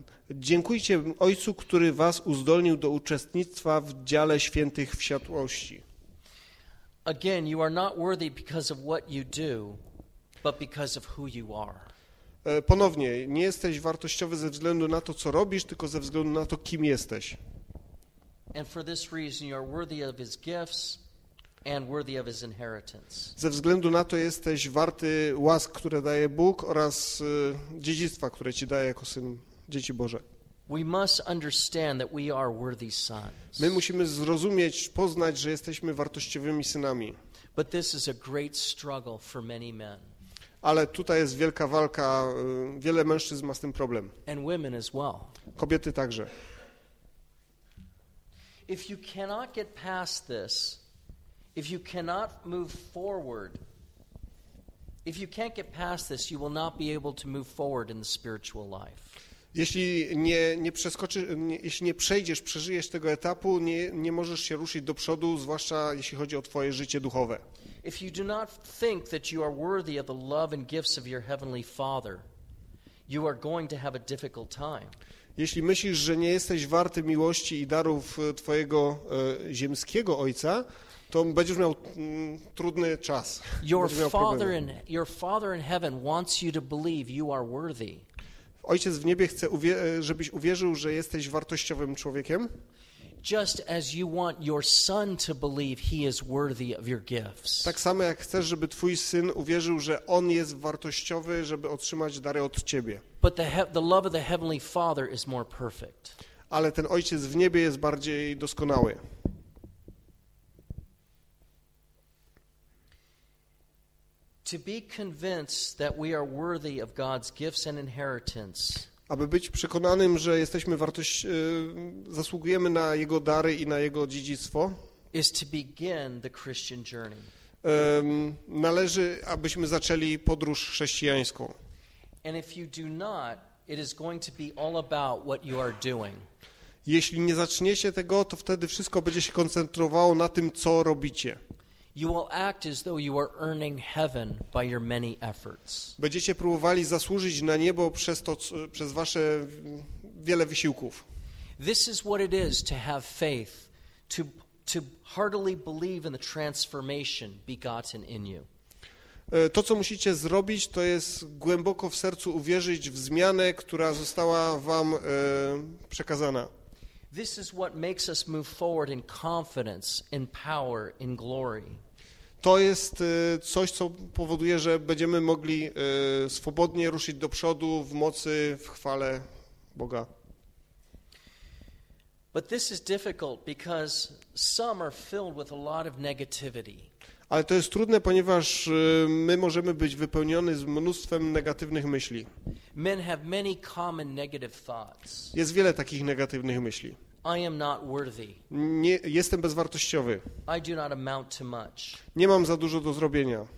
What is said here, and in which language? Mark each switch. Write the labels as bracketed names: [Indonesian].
[Polish] Dziękujcie Ojcu, który was uzdolnił do uczestnictwa w dziale świętych w światłości. [English] Again, you are not worthy because of what you do, but because of who you are. [Polish] Ponownie, nie jesteś wartościowy ze względu na to, co robisz, tylko ze względu na to, kim jesteś. [English] And for this reason you are worthy of his gifts and worthy of his inheritance. [Polish] Ze względu na to jesteś warty łask, które daje Bóg oraz dziedzictwa, które ci daje jako syn dzieci Boże. [English] We must understand that we are worthy sons. [Polish] My musimy zrozumieć, poznać, że jesteśmy wartościowymi synami. [English] But this is a great struggle for many men. [Polish] Ale tutaj jest wielka walka, wiele mężczyzn ma z tym problem. [English] And women as well. [Polish] Kobiety także. [English] If you cannot get past this, if you cannot move forward, if you can't get past this, you will not be able to move forward in the spiritual life. [Polish] Jeśli nie przeskoczysz, jeśli nie przejdziesz, przeżyjesz tego etapu, nie możesz się ruszyć do przodu, zwłaszcza jeśli chodzi o twoje życie duchowe. [English] If you do not think that you are worthy of the love and gifts of your heavenly Father, you are going to have a difficult time. [Polish] Jeśli myślisz, że nie jesteś warty miłości i darów twojego ziemskiego Ojca, to będziesz miał trudny czas. [English] Your Father in heaven wants you to believe you are worthy. [Polish] Ojciec w niebie chce, żebyś uwierzył, że jesteś wartościowym człowiekiem. [English] Just as you want your son to believe he is worthy of your gifts. [Polish] Tak samo jak chcesz, żeby twój syn uwierzył, że on jest wartościowy, żeby otrzymać dary od ciebie. [English] But the love of the heavenly Father is more perfect. [Polish] Ale ten Ojciec w niebie jest bardziej doskonały. [English] To be convinced that we are worthy of God's gifts and inheritance. [Polish] Aby być przekonanym, że jesteśmy zasługujemy na jego dary i na jego dziedzictwo. [English] Is to begin the Christian journey. [Polish] Należy, abyśmy zaczęli podróż chrześcijańską. [English] And if you do not, it is going to be all about what you are doing. [Polish] Jeśli nie zaczniecie tego, to wtedy wszystko będzie się koncentrowało na tym, co robicie. [English] You will act as though you are earning heaven by your many efforts. [Polish] Będziecie próbowali zasłużyć na niebo przez wasze wiele wysiłków. [English] This is what it is to have faith, to heartily believe in the transformation begotten in you. [Polish] To, co musicie zrobić, to jest głęboko w sercu uwierzyć w zmianę, która została wam przekazana. [English] This is what makes us move forward in confidence, in power, in glory. [Polish] To jest coś, co powoduje, że będziemy mogli swobodnie ruszyć do przodu w mocy, w chwale Boga. [English] But this is difficult because some are filled with a lot of negativity. [Polish] Ale to jest trudne, ponieważ my możemy być wypełniony z mnóstwem negatywnych myśli. [English] Men have many common negative thoughts. [Polish] Jest wiele takich negatywnych myśli. [English] I am not worthy. [Polish] Nie, jestem bezwartościowy. [English] I do not amount to much. [Polish] Nie mam za dużo do zrobienia.